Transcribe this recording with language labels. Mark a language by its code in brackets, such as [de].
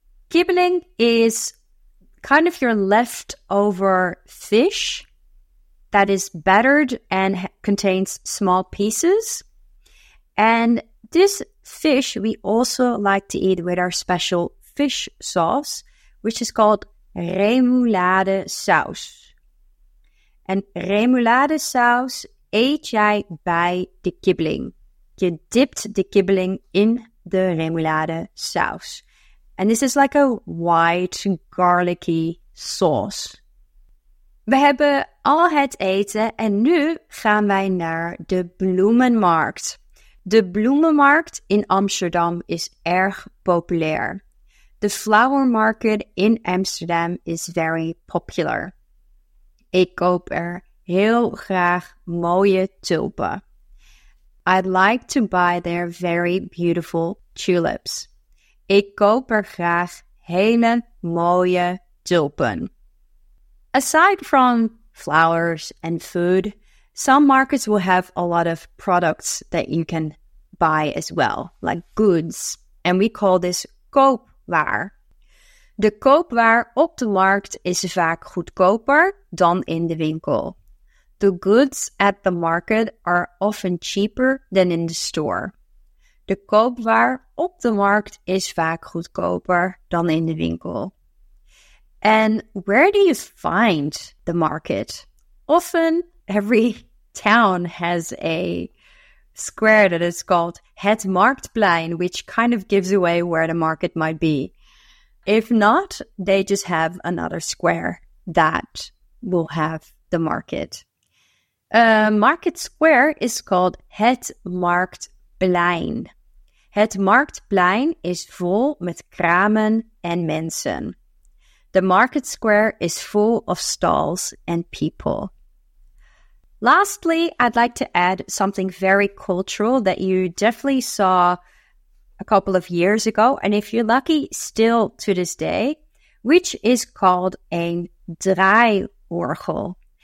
[en] Kibbeling is kind of your leftover fish that is battered and contains small pieces. And this fish we also like to eat with our special fish sauce, which is called remoulade saus. [nl] And remoulade saus eet jij bij de kibbeling. Je dipt de kibbeling in de remoulade saus. [en] And this is like a white garlicky sauce. [nl] We hebben al het eten en nu gaan wij naar de bloemenmarkt. De bloemenmarkt in Amsterdam is erg populair. [en] The flower market in Amsterdam is very popular. [nl] Ik koop er heel graag mooie tulpen. [en] I'd like to buy their very beautiful tulips. [nl] Ik koop er graag hele mooie tulpen. [en] Aside from flowers and food, some markets will have a lot of products that you can buy as well, like goods. And we call this koopwaar. [nl] De koopwaar op de markt is vaak goedkoper dan in de winkel. [en] The goods at the market are often cheaper than in the store. [nl] De koopwaar op de markt is vaak goedkoper dan in de winkel. [en] And where do you find the market? Often every town has a square that is called Het Marktplein, which kind of gives away where the market might be. If not, they just have another square that will have the market. A market square is called Het Marktplein. [nl] Het Marktplein is vol met kramen en mensen. [en] The market square is full of stalls and people. Lastly, I'd like to add something very cultural that you definitely saw a couple of years ago, and if you're lucky, still to this day, which is called a draaiorgel.